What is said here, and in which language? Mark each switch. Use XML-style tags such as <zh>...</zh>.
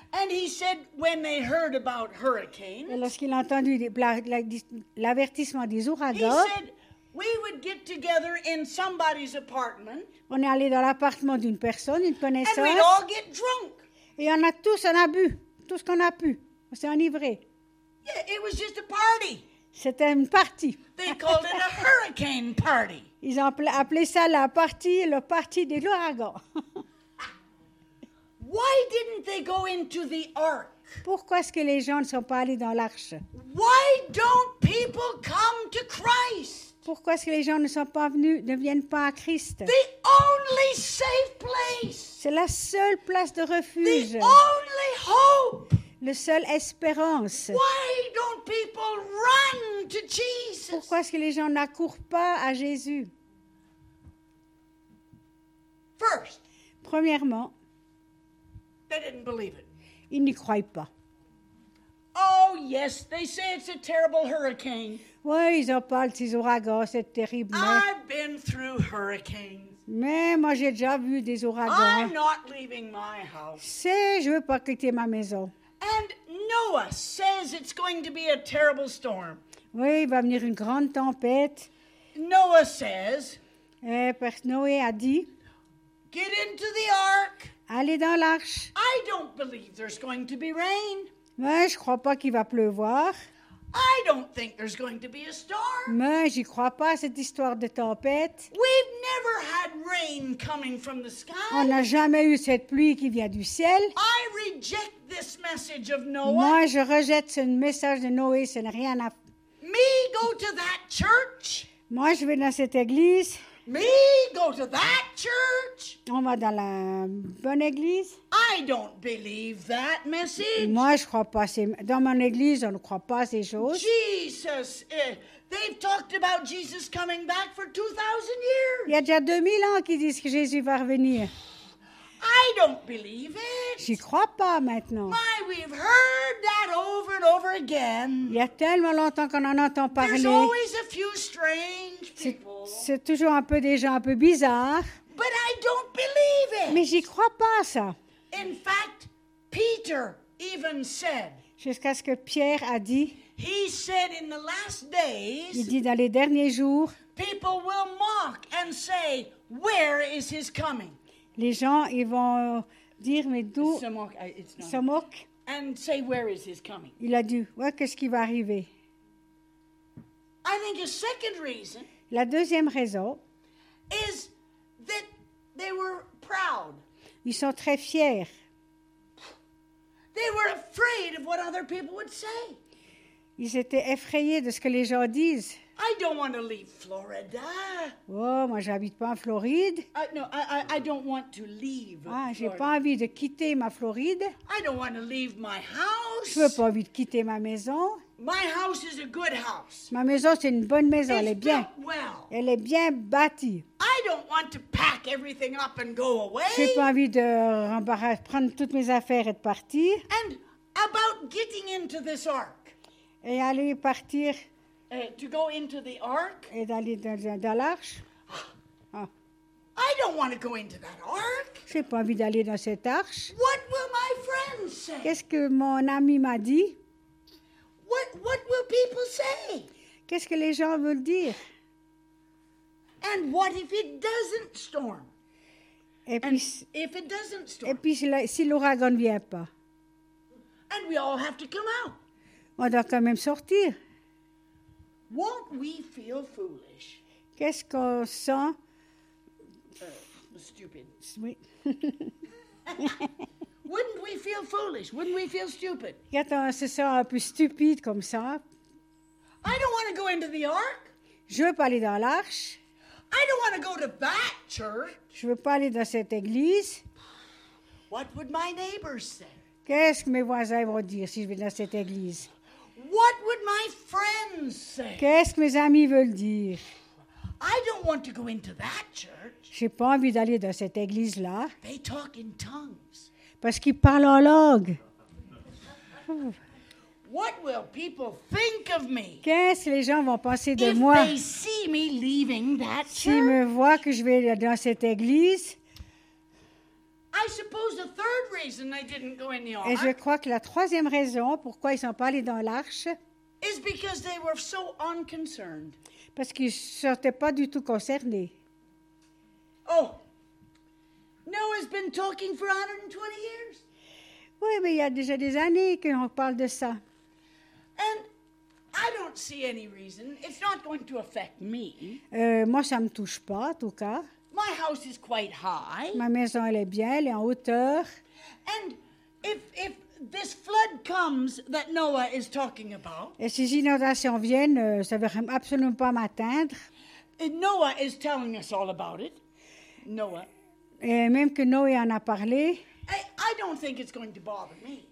<en>And he said when they heard about hurricanes.</en> <fr>Et lorsqu'il a entendu l'avertissement des ouragans.</fr> <en>He said we would get together in somebody's apartment.</en> <fr>On est allé dans l'appartement d'une personne, une connaissance.</fr> <en>And we'd all get drunk.</en> <fr>Et on a bu tout ce qu'on a pu. On s'est enivré.</fr> <en>Yeah, it was just a party.</en> <fr>C'était une partie.</fr> <en>They called it a hurricane party.</en> <fr>Ils ont appelé ça la partie, le parti de l'ouragan.</fr> <en>Why didn't they go into the ark?</en> <fr>Pourquoi est-ce que les gens ne sont pas allés dans l'arche?</fr> <en>Why don't people come to Christ?</en> <fr>Pourquoi est-ce que les gens ne sont pas venus, ne viennent pas à Christ?</fr> <en>The only safe place.</en> <fr>C'est la seule place de refuge.</fr> <en>The only hope.</en> <fr>Le seul espérance.</fr> <en>Why don't people run to Jesus?</en> <fr>Pourquoi est-ce que les gens n'accourent pas à Jésus?</fr> <en>First,</en> <fr>premièrement,</fr> <en>they didn't believe it.</en> <fr>Ils n'y croient pas.</fr> <en>Oh yes, they say it's a terrible hurricane.</en> <fr>Oui, ils en parlent, ces ouragans, c'est terrible. Mais...</fr> <en>I've been through hurricanes.</en> <fr>Mais moi, j'ai déjà vu des ouragans.</fr> <en>I'm not leaving my house.</en> <fr>C'est, je ne veux pas quitter ma maison.</fr> <en>And Noah says it's going to be a terrible storm.</en> <fr>Oui, il va venir une grande tempête.</fr> <en>Noah says.</en> <fr>Noé a dit.</fr> <en>Get into the ark.</en> <fr>Allez dans l'arche.</fr> <en>I don't believe there's going to be rain.</en> <fr>Mais je ne crois pas qu'il va pleuvoir.</fr> <en>I don't think there's going to be a storm.</en> <fr>Mais j'y crois pas à cette histoire de tempête.</fr> <en>We've never had rain coming from the sky.</en> <fr>On n'a jamais eu cette pluie qui vient du ciel.</fr> <en>I reject this message of Noah.</en> <fr>Moi, je rejette ce message de Noé. Ce n'est rien à.</fr> <en>Me go to that church.</en> <fr>Moi, je vais dans cette église.</fr> <en>Me go to that church?</en> <fr>On va dans la bonne église?</fr> <en>I don't believe that message.</en> <fr>Moi, je crois pas. Dans mon église, on ne croit pas ces choses.</fr> <en>Jesus, they've talked about Jesus coming back for 2,000 years.</en> <fr>Il y a déjà 2000 ans qu'ils disent que Jésus va revenir.</fr> <en>I don't believe it.</en> <fr>J'y crois pas maintenant.</fr> <en>My, we've heard that over and over again.</en> <fr>Il y a tellement longtemps qu'on en entend parler.</fr> <en>There's always a few strange people.</en> <fr>C'est toujours un peu des gens un peu bizarres.</fr> <en>But I don't believe it.</en> <fr>Mais j'y crois pas ça.</fr> <en>In fact, Peter even said.</en> <fr>Jusqu'à ce que Pierre a dit.</fr> <en>He said in the last days.</en> <fr>Il dit dans les derniers jours.</fr> <en>People will mock and say, where is his coming?</en> <fr>Les gens, ils vont dire, mais d'où se moque?</fr> <en>And say, where is his coming?</en> <fr>Il a dit, ouais, qu'est-ce qui va arriver?</fr> <en>I think a second reason.</en> <fr>La deuxième raison</fr> <en>is that they were proud.</en> <fr>Ils sont très fiers.</fr> <en>They were afraid of what other people would say.</en> <fr>Ils étaient effrayés de ce que les gens disent.</fr> <en>I don't want to leave Florida.</en> <fr>Oh, moi, j'habite pas en Floride.</fr> <en>I don't want to leave Florida.</en> <fr>Ah, j'ai pas envie de quitter ma Floride.</fr> <en>I don't want to leave my house.</en> <fr>Je veux pas envie de quitter ma maison.</fr> <en>My house is a good house.</en> <fr>Ma maison, c'est une bonne maison.</fr> <en>It's</en> <fr>elle est bien.</fr> <en>Built well.</en> <fr>Elle est bien bâtie.</fr> <en>I don't want to pack everything up and go away.</en> <fr>J'ai pas envie de prendre toutes mes affaires et de partir.</fr> <en>And about getting into this ark.</en> <fr>Et aller partir.</fr> <en>To go into the ark.</en> <fr>Et d'aller dans l'arche. Ah.</fr> <en>I don't want to go into that ark.</en> <fr>J'ai pas envie d'aller dans cette arche.</fr> <en>What will my friends say?</en> <fr>Qu'est-ce que mon ami m'a dit?</fr> <en>What will people say?</en> <fr>Qu'est-ce que les gens veulent dire?</fr> <en>And what if it doesn't storm?</en> <fr>Et puis,</fr> <en>if it doesn't storm.</en> <fr>Et puis si l'ouragan ne vient pas.</fr> <en>And we all have to come out.</en> <fr>On doit quand même sortir.</fr> <en>Won't we feel foolish?</en> <fr>Qu'est-ce qu'on sent?</fr> <en>Stupid.</en> <fr>Oui.</fr> <en>Wouldn't we feel foolish? Wouldn't we feel stupid?</en> <fr>Attends, ce sera un peu stupide comme ça.</fr> <en>I don't want to go into the ark.</en> <fr>Je veux pas aller dans l'arche.</fr> <en>I don't want to go to that church.</en> <fr>Je veux pas aller dans cette église.</fr> <en>What would my neighbors say?</en> <fr>Qu'est-ce que mes voisins vont dire si je vais dans cette église?</fr> <en>What would my friends say?</en> <fr>Qu'est-ce que mes amis veulent dire?</fr> <en>I don't want to go into that church.</en> <fr>J'ai pas envie d'aller dans cette église-là.</fr> <en>They talk in tongues.</en> <fr>Parce qu'ils parlent en langue.</fr> <en>What will people think of me?</en> <fr>Qu'est-ce que les gens vont penser de</fr> <en>if</en> <fr>moi?</fr> <en>If they see me leaving that church.</en> <fr>S'ils me voient que je vais dans cette église.</fr> <en>I suppose the third reason they didn't go in the ark.</en> <fr>Et je crois que la troisième raison pourquoi ils sont pas allés dans l'arche.</fr> <en>Is because they were so unconcerned.</en> <fr>Parce qu'ils sortaient pas du tout concernés.</fr> <en>Oh. Noah's been talking for 120 years.</en> <fr>Oui, mais il y a déjà des années qu'on parle de ça.</fr> <en>And I don't see any reason. It's not going to affect me.</en> <fr>Moi ça me touche pas en tout cas.</fr> <en>My house is quite high.</en> <fr>Ma maison elle est bien, elle est en hauteur.</fr> <en>And if this flood comes that Noah is talking about.</en> <fr>Et ces inondations viennent, ça va absolument pas m'atteindre.</fr> <en>And Noah is telling us all about it. Noah.</en> <fr>Et même que Noé en a parlé.</fr> <en>I don't think it's going to bother me.</en>